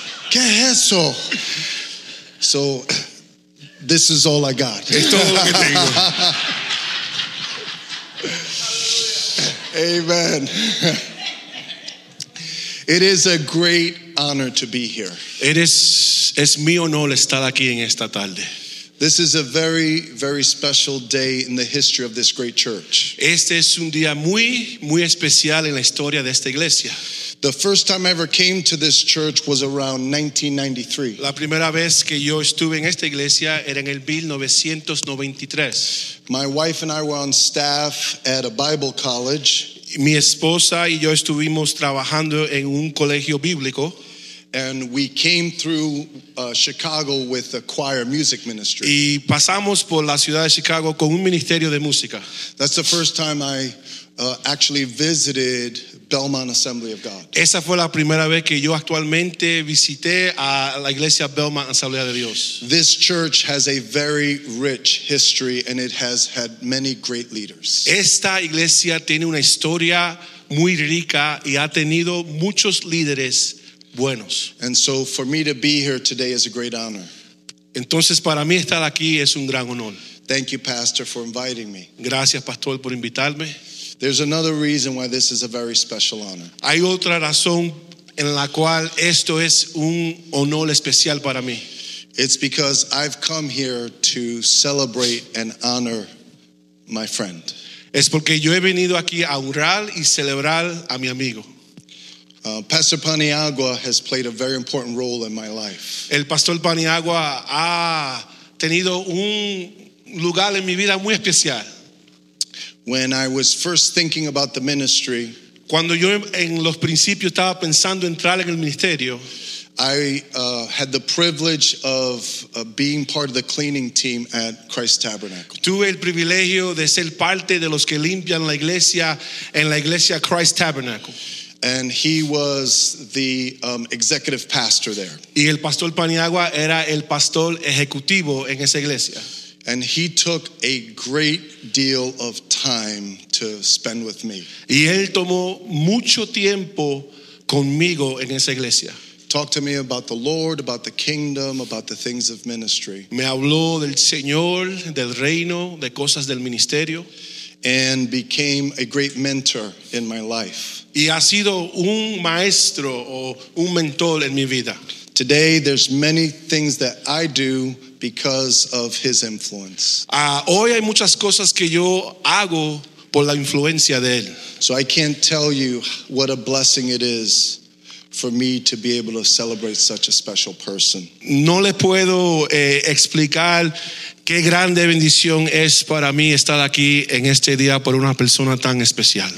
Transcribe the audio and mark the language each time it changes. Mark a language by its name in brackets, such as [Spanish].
[Spanish] ¿Qué es eso? [English] So, this is all I got. [Spanish] Es todo lo que tengo. [English] Amen. It is a great honor to be here. [Spanish] Es mi honor estar aquí en esta tarde. [English] This is a very, very special day in the history of this great church. [Spanish] Este es un día muy, muy especial en la historia de esta iglesia. [English] The first time I ever came to this church was around 1993. [Spanish] La primera vez que yo estuve en esta iglesia era en el 1993. [English] My wife and I were on staff at a Bible college. [Spanish] Mi esposa y yo estuvimos trabajando en un colegio bíblico. [English] And we came through Chicago with a choir music ministry. [Spanish] Y pasamos por la ciudad de Chicago con un ministerio de música. [English] That's the first time I actually visited Belmont Assembly of God. [Spanish] Esa fue la primera vez que yo actualmente visité a la iglesia Belmont Asamblea de Dios. [English] This church has a very rich history and it has had many great leaders. [Spanish] Esta iglesia tiene una historia muy rica y ha tenido muchos líderes buenos. [English] And so for me to be here today is a great honor. [Spanish] Entonces para mí estar aquí es un gran honor. [English] Thank you, Pastor, for inviting me. [Spanish] Gracias, Pastor, por invitarme. [English] There's another reason why this is a very special honor. [Spanish] Hay otra razón en la cual esto es un honor especial para mí. [English] It's because I've come here to celebrate and honor my friend. [Spanish] Es porque yo he venido aquí a honrar y celebrar a mi amigo. [English] Pastor Paniagua has played a very important role in my life. [Spanish] El Pastor Paniagua ha tenido un lugar en mi vida muy especial. [English] When I was first thinking about the ministry, [Spanish] cuando yo en los principios estaba pensando entrar en el ministerio, [English] I had the privilege of being part of the cleaning team at Christ Tabernacle. [Spanish] Tuve el privilegio de ser parte de los que limpian la iglesia en la iglesia Christ Tabernacle. [English] And he was the executive pastor there. [Spanish] Y el Pastor Paniagua era el pastor ejecutivo en esa iglesia. [English] And he took a great deal of time to spend with me. [Spanish] Y él tomó mucho tiempo conmigo en esa iglesia. [English] Talk to me about the Lord, about the kingdom, about the things of ministry. [Spanish] Me habló del Señor, del reino, de cosas del ministerio. [English] And became a great mentor in my life. [Spanish] Y ha sido un maestro o un mentor en mi vida. [English] Today there's many things that I do because of his influence. [Spanish] Hoy hay muchas cosas que yo hago por la influencia de él. [English] So I can't tell you what a blessing it is for me to be able to celebrate such a special person. [Spanish] No le puedo explicar qué grande bendición es para mí estar aquí en este día por una persona tan especial.